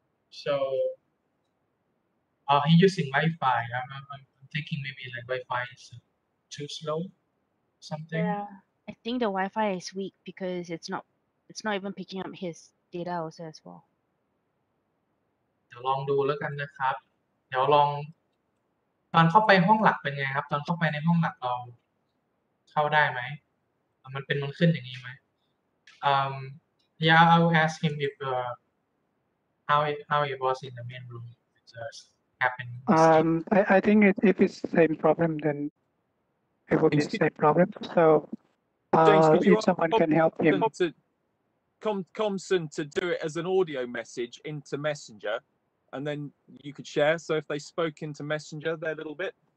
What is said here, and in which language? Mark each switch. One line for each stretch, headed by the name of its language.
English: So, he's using Wi-Fi. I'm thinking maybe like Wi-Fi is too slow, something. Yeah. I think the Wi-Fi is weak because it's not even picking up his data also as well.
Thai: เดี๋ยวลองดูแล้วกันนะครับเดี๋ยวลองตอนเข้าไปห้องหลักเป็นไงครับตอนเข้าไปในห้องหลักเราเข้าได้ไหมมันเป็นมันขึ้นอย่างนี้ไหม
English: Yeah, I will ask him if how it was in the main room. It just happened. I think if it's same problem, then it would be same problem. So. James, if someone can help him. Komsun to do it as an audio message into Messenger, and then you could share. So if they spoke into Messenger there a little bit.